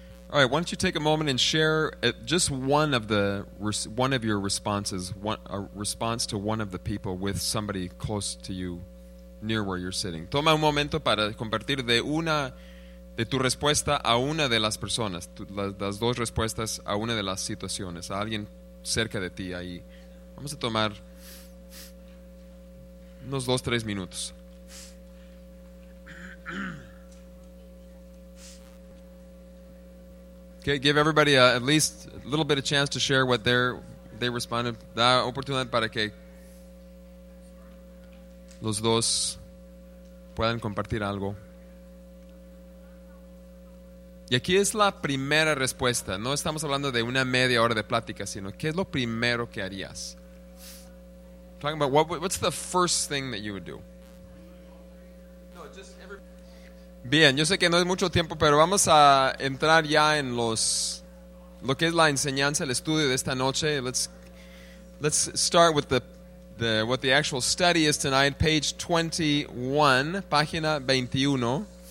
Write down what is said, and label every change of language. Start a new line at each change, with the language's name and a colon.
English: All right, why don't you take a moment and share just one of your responses, a response to one of the people with somebody close to you, near where you're sitting.
Spanish: Toma un momento para compartir de tu respuesta a una de las personas, las dos respuestas a una de las situaciones, a alguien cerca de ti ahí. Vamos a tomar unos 2-3 minutos.
English: Okay, give everybody at least a little bit of chance to share what they responded.
Spanish: Da oportunidad para que los dos puedan compartir algo. Y aquí es la primera respuesta. No estamos hablando de una media hora de plática, sino ¿qué es lo primero que harías?
English: Talking about what's the first thing that you would do?
Spanish: Bien, yo sé que no es mucho tiempo, pero vamos a entrar ya en lo que es la enseñanza, el estudio de esta noche.
English: Let's start with what the actual study is tonight, page 21,
Spanish: página 21.